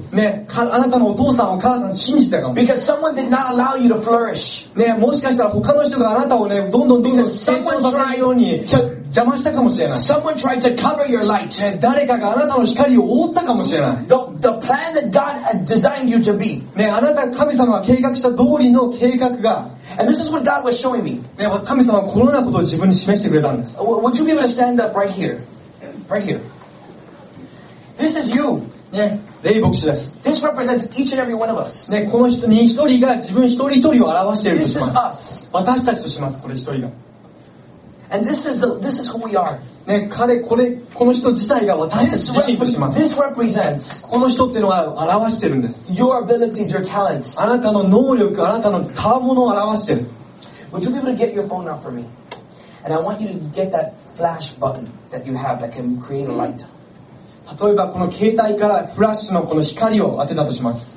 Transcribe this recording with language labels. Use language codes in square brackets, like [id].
[ja] ね、あなたのお父さん、お母さん信じてたかも。 [en] Because someone did not allow you to flourish. [ja] ね、もしかしたら他の人があなたをね、どんどん成長させないように。邪魔したかもしれない。 [en] Someone tried to cover your light. [ja] 誰かがあなたの光を覆ったかもしれない。 [en] The plan that God had designed you to be. [ja] ね、あなた神様が計画した通りの計画が。 [en] And this is what God was showing me. [ja] ね、神様はこのようなことを自分に示してくれたんです。 [en] Would you be able to stand up right here? Right here. This is you. [ja] ね、レイ牧師です。 [en] This represents each and every one of us. [ja] ね、この人に一人が自分一人一人を表しているとします。 [en] This is us. [ja] 私たちとします、これ一人が。 [en] And this is who we are. [ja] ね、彼これこの人自体が私たち自身とします。 [en] This represents [ja] この人っていうのは表してるんです。 [en] Your abilities, your talents. [ja] あなたの能力、あなたの賜物を表してる。 [en] Would you be able to get your phone out for me? And I want you to get that flash button that you have that can create a light. [ja] 例えばこの携帯からフラッシュのこの光を当てたとします。